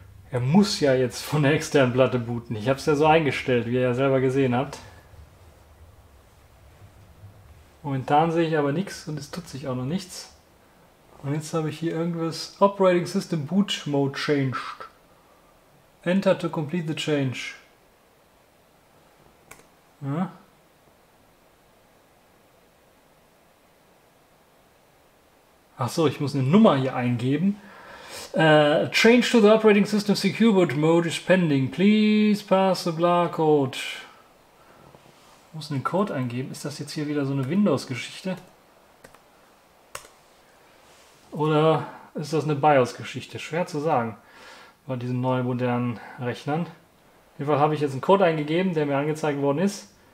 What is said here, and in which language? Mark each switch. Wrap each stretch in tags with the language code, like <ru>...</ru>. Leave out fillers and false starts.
<de>Er muss ja jetzt von der externen Platte booten. Ich habe es ja so eingestellt, wie ihr ja selber gesehen habt. Momentan sehe ich aber nichts und es tut sich auch noch nichts. Und jetzt habe ich hier irgendwas.</de> <en>Operating System Boot Mode changed. Enter to complete the change.</en> <de>Ja. Achso, ich muss eine Nummer hier eingeben.</de> <en>Change to the operating system secure boot mode is pending. Please pass the bla code.</en> <de>Ich muss einen Code eingeben. Ist das jetzt hier wieder so eine Windows-Geschichte? Oder ist das eine BIOS-Geschichte? Schwer zu sagen bei diesen neuen modernen Rechnern. Auf jeden Fall habe ich jetzt einen Code eingegeben, der mir angezeigt worden ist.</de>